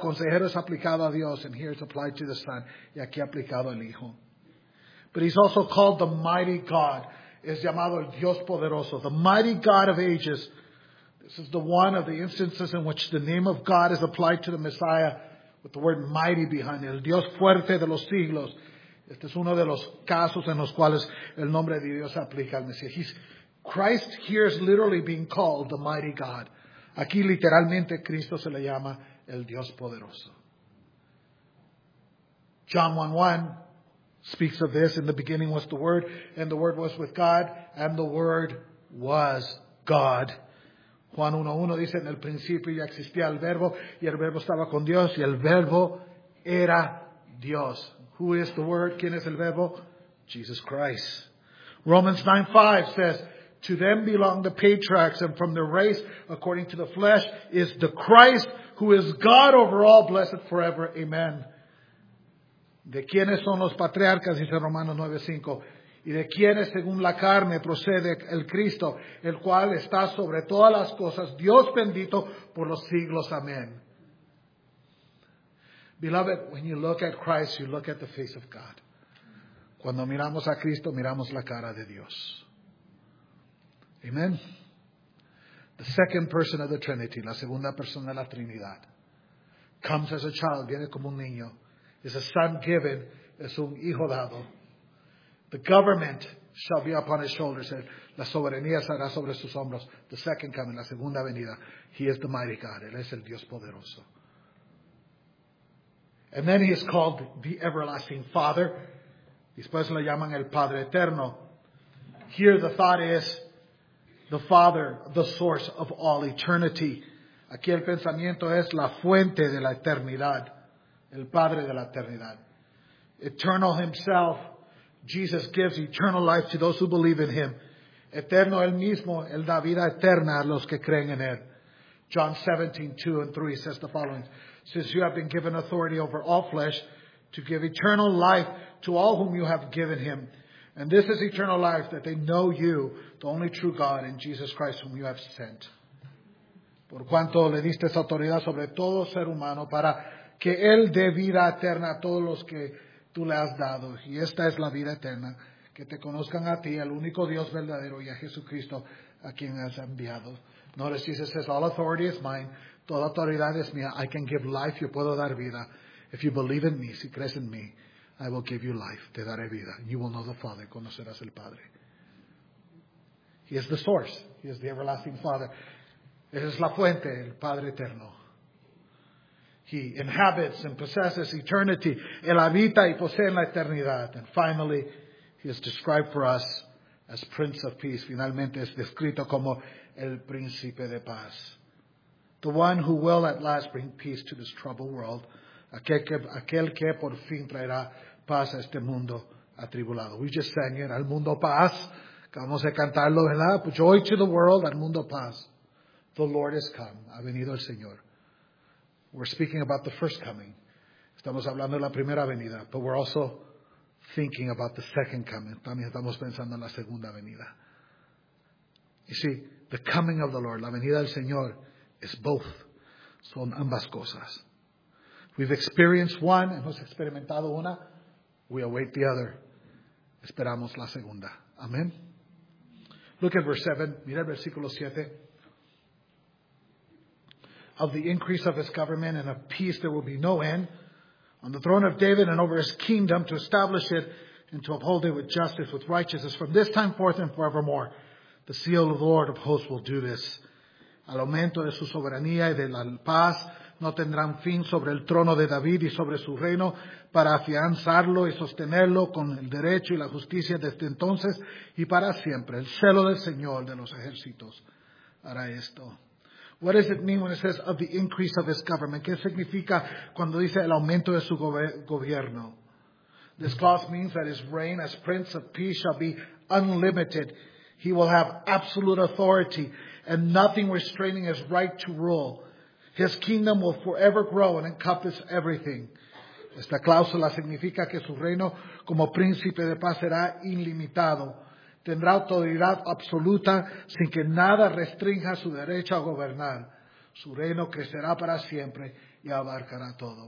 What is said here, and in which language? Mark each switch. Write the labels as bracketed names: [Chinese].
[Spanish] Consejero es aplicado a Dios. [English] And here it's applied to the Son. [Spanish] Y aquí aplicado al Hijo. [English] But he's also called the mighty God. [Spanish] Es llamado el Dios poderoso. [English] The mighty God of ages. This is the one of the instances in which the name of God is applied to the Messiah with the word mighty behind it. [Spanish] El Dios fuerte de los siglos. Este es uno de los casos en los cuales el nombre de Dios se aplica al Mesías. [English] Christ here is literally being called the mighty God. [Spanish] Aquí literalmente Cristo se le llama el Dios poderoso. [English] John 1:1 speaks of this. In the beginning was the Word, and the Word was with God, and the Word was God. [Spanish] Juan 1:1 dice, en el principio ya existía el Verbo, y el Verbo estaba con Dios, y el Verbo era Dios. [English] Who is the Word? [Spanish] ¿Quién es el Verbo? [English] Jesus Christ. Romans 9:5 says, to them belong the patriarchs, and from their race, according to the flesh, is the Christ, who is God over all, blessed forever. [Spanish] Amen. ¿De quiénes son los patriarcas? Dice Romanos 9:5. ¿Y de quiénes, según la carne, procede el Cristo, el cual está sobre todas las cosas, Dios bendito por los siglos? Amén. [English] Beloved, when you look at Christ, you look at the face of God. [Spanish] Cuando miramos a Cristo, miramos la cara de Dios. Amen. [English] The second person of the Trinity, [Spanish] la segunda persona de la Trinidad, [English] comes as a child, [Spanish] viene como un niño. [English] Is a son given, [Spanish] es un hijo dado. [English] The government shall be upon his shoulders. [Spanish] La soberanía será sobre sus hombros. [English] The second coming, [Spanish] la segunda venida. [English] He is the mighty God. [Spanish] Él es el Dios poderoso. [English] And then he is called the everlasting Father. [Spanish] Después le llaman el Padre Eterno. [English] Here the thought is the Father, the source of all eternity. Aquí el pensamiento es la fuente de la eternidad. El Padre de la Eternidad. Eternal himself, Jesus gives eternal life to those who believe in him. Eterno él mismo, él da vida eterna a los que creen en él. John 17:2 and 3 says the following. Since you have been given authority over all flesh, to give eternal life to all whom you have given him. And this is eternal life, that they know you, the only true God, and Jesus Christ whom you have sent. Por cuanto le diste esa autoridad sobre todo ser humano para que Él dé vida eterna a todos los que tú le has dado. Y esta es la vida eterna. Que te conozcan a ti, el único Dios verdadero, y a Jesucristo a quien has enviado. Notice Jesus says, all authority is mine. [Spanish] Toda autoridad es mía. [English] I can give life. [Spanish] Yo puedo dar vida. [English] If you believe in me, [Spanish] si crees en mí, [English] I will give you life. [Spanish] Te daré vida. [English] You will know the Father. [Spanish] Conocerás el Padre. [English] He is the source. He is the everlasting Father. [Spanish] Esa es la fuente, el Padre eterno. [English] He inhabits and possesses eternity. [Spanish] Él habita y posee en la eternidad. [English] And finally, he is described for us as Prince of Peace. [Spanish] Finalmente es descrito como el Príncipe de Paz. [English] The one who will at last bring peace to this troubled world. [Spanish] Aquel que por fin traerá paz a este mundo atribulado. [English] We just sang it, [Spanish] al mundo paz. Acabamos de cantarlo, ¿verdad? [English] Joy to the world, [Spanish] al mundo paz. [English] The Lord has come. [Spanish] Ha venido el Señor. [English] We're speaking about the first coming. [Spanish] Estamos hablando de la primera venida, [English] but we're also thinking about the second coming. [Spanish] También estamos pensando en la segunda venida. [English] You see, the coming of the Lord, [Spanish] la venida del Señor, [English] is both. [Spanish] Son ambas cosas. [English] We've experienced one, [Spanish] hemos experimentado una. [English] We await the other. [Spanish] Esperamos la segunda. [English] Amen. Look at verse 7. [Spanish] Mira el versículo 7. [English] Of the increase of his government and of peace there will be no end. On the throne of David and over his kingdom to establish it and to uphold it with justice, with righteousness, from this time forth and forevermore. The seal of the Lord of hosts will do this. [Spanish] Al aumento de su soberanía y de la paz no tendrán fin sobre el trono de David y sobre su reino para afianzarlo y sostenerlo con el derecho y la justicia desde entonces y para siempre. El celo del Señor de los ejércitos hará esto. [English] What does it mean when it says of the increase of his government? [Spanish] ¿Qué significa cuando dice el aumento de su gobierno? [English] This clause means that his reign as prince of peace shall be unlimited. He will have absolute authority and nothing restraining his right to rule. His kingdom will forever grow and encompass everything. [Spanish] Esta cláusula significa que su reino como príncipe de paz será ilimitado. Tendrá autoridad absoluta sin que nada restrinja su derecho a gobernar. Su reino crecerá para siempre y abarcará todo.